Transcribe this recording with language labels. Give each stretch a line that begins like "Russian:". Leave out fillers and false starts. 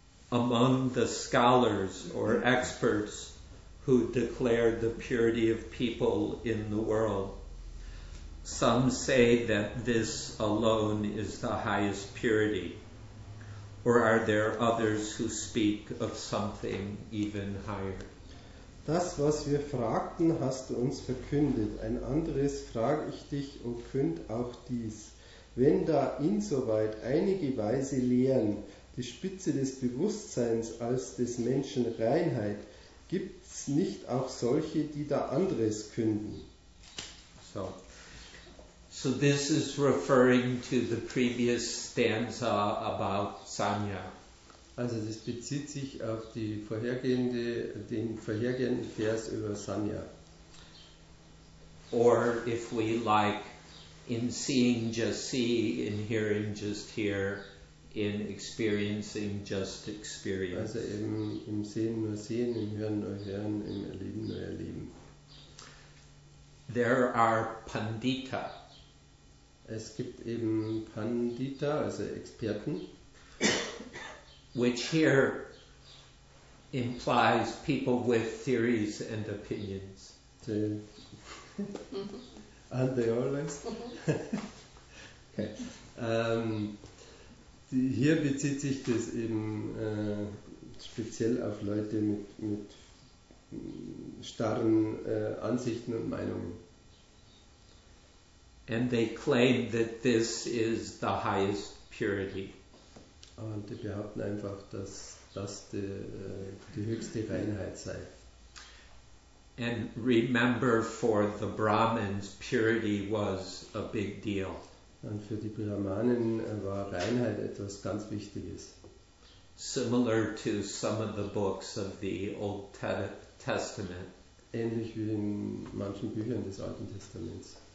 English: Among the scholars or experts who declared the purity of people in the world, some say that this alone is the highest purity. Or are there others who speak of something even higher?
German: Das, was wir fragten, hast du uns verkündet. Ein anderes frage ich dich und künd auch dies. Wenn da insoweit einige Weise lehren, die Spitze des Bewusstseins als des Menschen Reinheit, gibt's nicht auch solche, die da anderes künden?
English: So this is referring to the previous stanza about Sanya.
German: Also das bezieht sich auf den vorhergehenden Vers über Sanya.
English: Or if we like, in seeing just see, in hearing just hear, in experiencing just experience.
German: Also im Sehen nur sehen, im Hören nur hören, im Erleben nur erleben.
English: There are Pandita.
German: Es gibt eben Pandita, also Experten.
English: Which here implies people with theories and opinions. Aren't they always? Okay.
German: Hier bezieht sich das eben speziell auf Leute mit starren Ansichten und Meinungen.
English: And they claim that this is the highest purity.
German: Und die behaupten einfach, dass das die höchste Reinheit sei.
English: And remember, for the Brahmins, purity was a big deal.
German: Und für die Brahmanen war Reinheit etwas ganz Wichtiges.
English: Similar to some of the books of the Old Testament.
German: Ähnlich wie in manchen Büchern des Alten Testaments.